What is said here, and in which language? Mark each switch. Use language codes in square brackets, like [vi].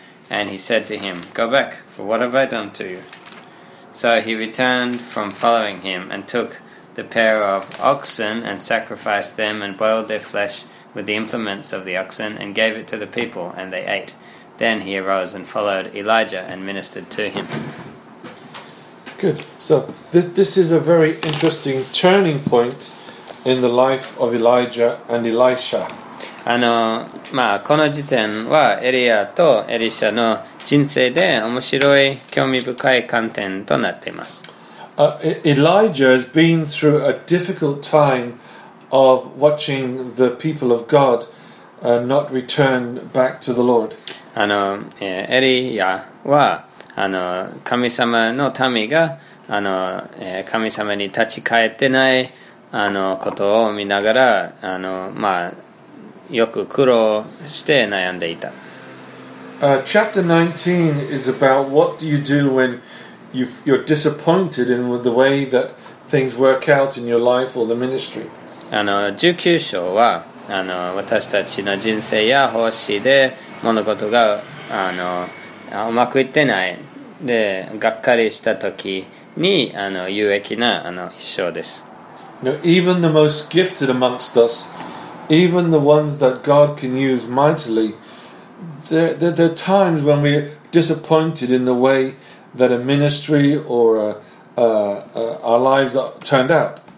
[en] And he said to him, "Go back, for what have I done to you?" So he returned from following him and took the pair of oxen and sacrificed them and boiled their flesh with the implements of the oxen and gave it to the people, and they ate. Then he arose and followed Elijah and ministered to him. Good. So this is a very interesting turning point in the life of Elijah and Elisha. [ja] この時点はエリアとエリシャの人生で面白い興味深い観点となっています。 [en] Elijah has been through a difficult time of watching the people of God not return back to the Lord. [ja] エリアは神様の民が神様に立ち返ってないことを見ながら、よく苦労して悩んでいた。 [en] Chapter 19 is about what do you do when you're disappointed in the way that things work out in your life or the ministry. [ja] 19章は私たちの人生や奉仕で物事がうまくいってない、でがっかりした時に有益な一章です。 [en] Now, even the most gifted amongst us, even the ones that God can use mightily, there are times when we're disappointed in the way that a ministry or our lives are turned out.